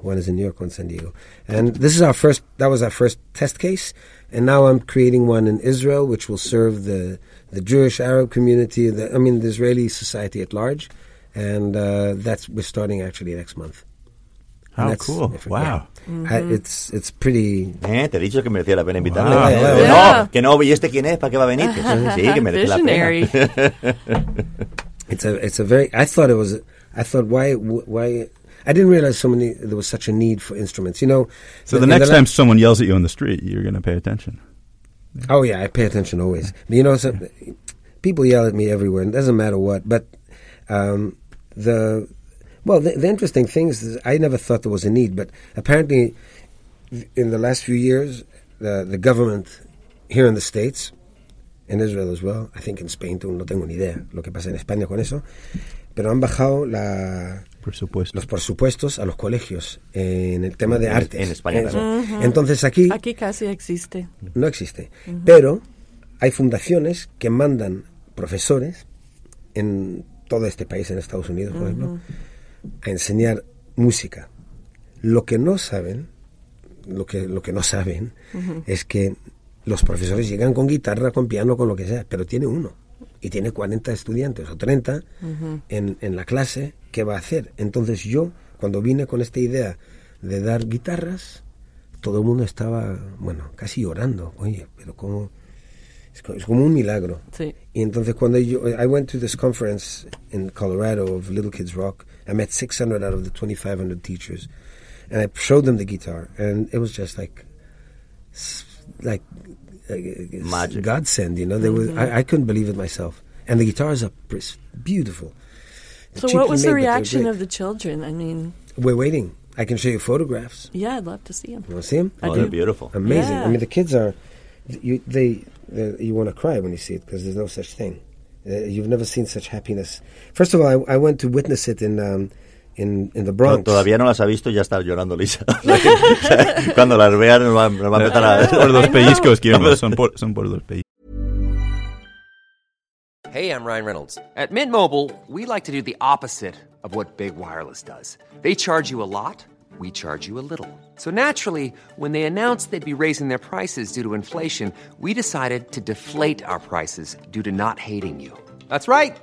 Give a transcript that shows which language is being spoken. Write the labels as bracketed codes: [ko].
[en] One is in New York, one in San Diego. And this is our first, that was our first test case, and now I'm creating one in Israel, which will serve the Jewish Arab community, the Israeli society at large, and that's, we're starting actually next month. How cool. Wow. Yeah. Mm-hmm. It's pretty... [es] Te he dicho que merecía la pena invitarme. [en] Wow. Yeah. [es] No, que no, y este quién es, para qué va a venir. Sí, que merece la pena. [en] It's a very... I thought, why... I didn't realize there was such a need for instruments, you know. So the next time someone yells at you on the street, you're going to pay attention. Oh, yeah, I pay attention always. But you know, people yell at me everywhere, and it doesn't matter what. But the interesting thing is I never thought there was a need, but apparently in the last few years, the government here in the States, in Israel as well, I think in Spain, too, [es] no tengo ni idea lo que pasa en España con eso, pero han bajado la... Presupuesto. Los presupuestos a los colegios en el tema de arte en España. Uh-huh. Entonces aquí casi existe. No existe. Uh-huh. Pero hay fundaciones que mandan profesores en todo este país, en Estados Unidos, por ejemplo, a enseñar música. Lo que no saben uh-huh. es que los profesores llegan con guitarra, con piano, con lo que sea, pero tiene uno. Y tiene 40 estudiantes o 30 uh-huh. en la clase, ¿qué va a hacer? Entonces yo, cuando vine con esta idea de dar guitarras, todo el mundo estaba, bueno, casi llorando. Oye, pero cómo... Es como un milagro. Sí. Y entonces cuando yo... [en] I went to this conference in Colorado of Little Kids Rock. I met 600 out of the 2,500 teachers. And I showed them the guitar. And it was just like magic, godsend, you know. They mm-hmm. were, I couldn't believe it myself. And the guitars are beautiful. So what was the reaction of the children? I mean, we're waiting. I can show you photographs. Yeah, I'd love to see them. You want to see them? Oh, they're beautiful. Amazing. Yeah. I mean, the kids are, you want to cry when you see it, because there's no such thing. You've never seen such happiness. First of all, I went to witness it in the Bronx. [es] Todavía no las ha visto y ya está llorando Lisa. Cuando las vean nos va a meter a... Por los pellizcos, son por los pellizcos. [en] Hey, I'm Ryan Reynolds. At Mint Mobile, we like to do the opposite of what Big Wireless does. They charge you a lot, we charge you a little. So naturally, when they announced they'd be raising their prices due to inflation, we decided to deflate our prices due to not hating you. That's right.